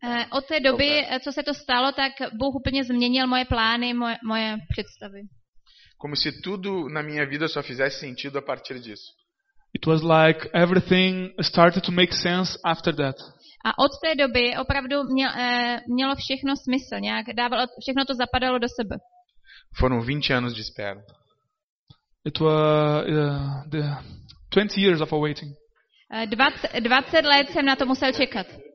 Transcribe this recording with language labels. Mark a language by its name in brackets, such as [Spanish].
[Czech] Od té doby, co se to stalo, tak Bůh úplně změnil moje plány, moje představy. [Portuguese] Como se tudo na minha vida só fizesse sentido a partir disso. [English] It was like everything started to make sense after that. [Czech] A od té doby opravdu mělo všechno smysl, nějak dávalo, všechno to zapadalo do sebe. [Portuguese] Foram 20 anos de espera. [English] It was the 20 years of waiting. [Czech] 20 let jsem na to musel čekat.